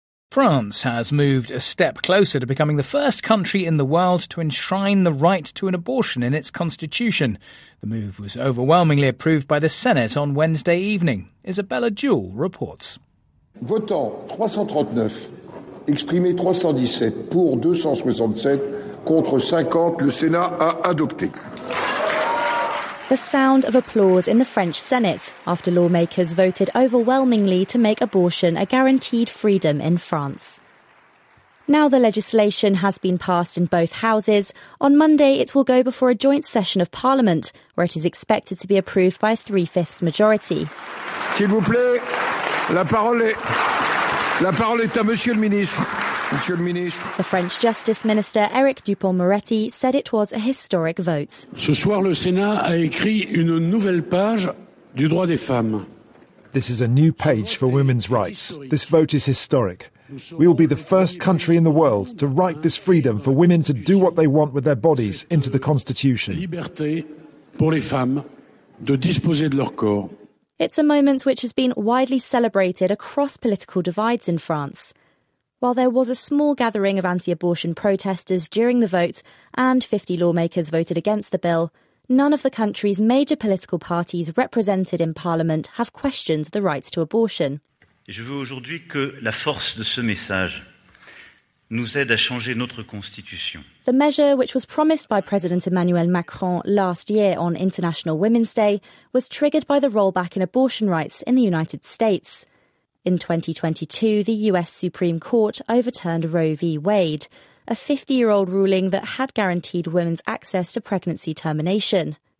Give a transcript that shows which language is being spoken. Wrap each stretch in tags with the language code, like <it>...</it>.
<en>France has moved a step closer to becoming the first country in the world to enshrine the right to an abortion in its constitution. The move was overwhelmingly approved by the Senate on Wednesday evening. Isabella Jewell reports.</en> <fr>Votant 339, exprimé 317 pour 267 contre 50, le Sénat a adopté.</fr> <en>The sound of applause in the French Senate after lawmakers voted overwhelmingly to make abortion a guaranteed freedom in France. Now the legislation has been passed in both houses, on Monday it will go before a joint session of Parliament, where it is expected to be approved by a three-fifths majority.</en> <fr>S'il vous plaît, la parole est à Monsieur le Ministre. Monsieur le Ministre.</fr> <en>The French Justice Minister, Éric Dupond-Moretti, said it was a historic vote.</en> <fr>Ce soir, le Sénat a écrit une nouvelle page du droit des femmes.</fr> <en>This is a new page for women's rights. This vote is historic. We will be the first country in the world to write this freedom for women to do what they want with their bodies into the Constitution.</en> <fr>Liberté pour les femmes de disposer de leur corps.</fr> <en>It's a moment which has been widely celebrated across political divides in France. While there was a small gathering of anti-abortion protesters during the vote and 50 lawmakers voted against the bill, none of the country's major political parties represented in Parliament have questioned the rights to abortion.</en> <fr>Je veux aujourd'hui que la force de ce message nous aide à changer notre constitution.</fr> <en>The measure, which was promised by President Emmanuel Macron last year on International Women's Day, was triggered by the rollback in abortion rights in the United States. In 2022, the US Supreme Court overturned Roe v. Wade, a 50-year-old ruling that had guaranteed women's access to pregnancy termination.</en>